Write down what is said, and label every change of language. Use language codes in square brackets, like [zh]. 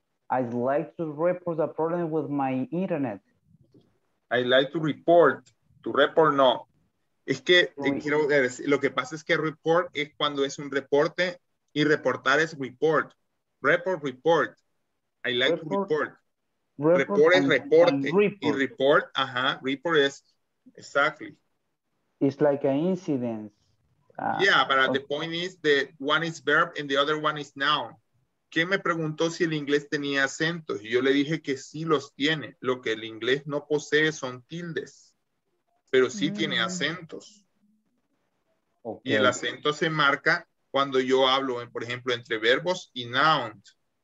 [en] I'd like to report a problem with my internet. I'd like to report. [es] Es que quiero decir, lo que pasa es que report es cuando es un reporte y reportar es report. [en] Report. I'd like to report. Report. Ajá. Report is exactly. It's like an incident. But the point is that one is verb and the other one is noun. [es] ¿Quién me preguntó si el inglés tenía acentos? Y yo le dije que sí los tiene. Lo que el inglés no posee son tildes. Pero sí tiene acentos. [en] Okay. [es] Y el acento se marca cuando yo hablo, por ejemplo, entre verbos y nouns.